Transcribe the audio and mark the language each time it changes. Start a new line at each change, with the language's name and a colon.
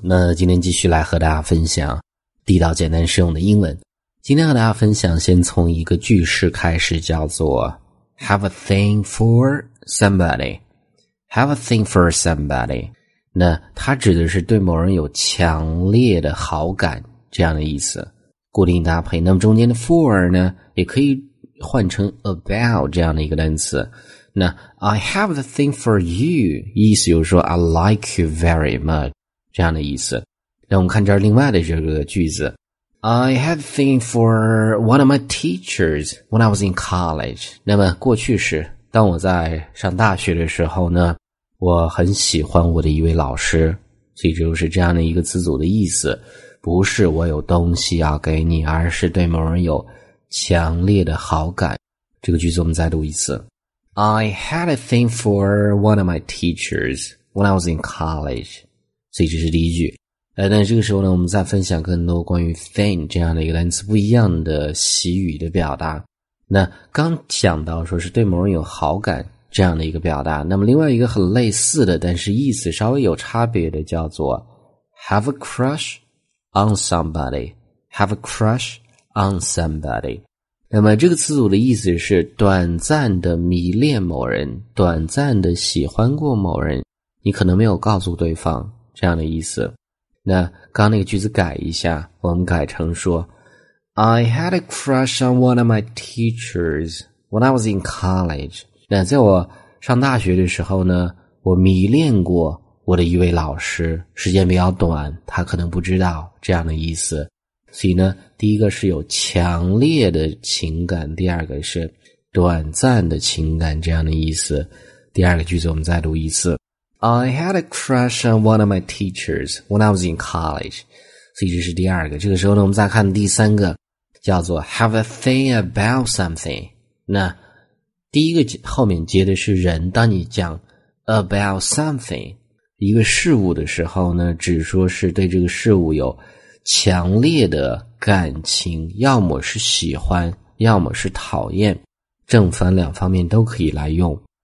Chinese: 那今天继续来和大家分享地道简单实用的英文。今天和大家分享先从一个句式开始，叫做
English: Have a thing for somebody. Have a thing for somebody.
Chinese: 那它指的是对某人有强烈的好感这样的意思。固定搭配，那么中间的 for 呢，也可以换成 about 这样的一个单词。
English: 那 I have the thing for you
Chinese: 意思就是说
English: I like you very much 这样的意思。
Chinese: 那我们看这儿另外的这个句子，
English: I had a thing for one of my teachers when I was in college。
Chinese: 那么过去式，当我在上大学的时候呢，我很喜欢我的一位老师，所以就是这样的一个词组的意思，不是我有东西要给你，而是对某人有强烈的好感。
English: 这个句子我们再读一次，I had a thing for one of my teachers when I was in college.
Chinese: 所以这是第一句。那这个时候呢，我们再分享更多关于 thing 这样的一个单词不一样的习语的表达。那刚讲到说是对某人有好感这样的一个表达，那么另外一个很类似的但是意思稍微有差别的叫做
English: have a crush on somebody. Have a crush on somebody.
Chinese: 那么这个词组的意思是短暂的迷恋某人，短暂的喜欢过某人，你可能没有告诉对方，这样的意思。那刚那个句子改一下，我们改成说
English: I had a crush on one of my teachers when I was in college.
Chinese: 那在我上大学的时候呢，我迷恋过我的一位老师，时间比较短，他可能不知道，这样的意思。所以呢，第一个是有强烈的情感，第二个是短暂的情感这样的意思。第二个句子我们再读一次，
English: I had a crush on one of my teachers when I was in college.
Chinese: 所以这是第二个。这个时候呢，我们再看第三个，叫做
English: have a thing about something。
Chinese: 那第一个后面接的是人，当你讲 about something 一个事物的时候呢，只说是对这个事物有强烈的感情，要么是喜欢，要么是讨厌，正反两方面都可以来用。